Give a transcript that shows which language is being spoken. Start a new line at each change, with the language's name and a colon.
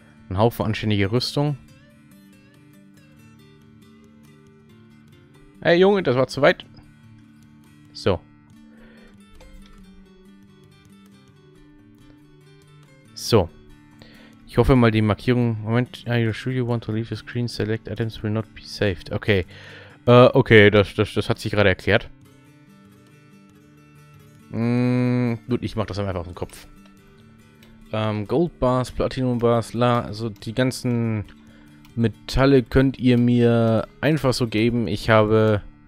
German: Ein Haufen anständige Rüstung. Hey Junge, das war zu weit. So. So. Ich hoffe mal die Markierung.
English: Moment, are you sure you want to leave the screen? Select items will not be saved. Okay.
German: Okay, das hat sich gerade erklärt. Gut, ich mach das einfach auf den Kopf. Gold Bars, Platinum Bars, la, also die ganzen Metalle könnt ihr mir einfach so geben. Ich habe.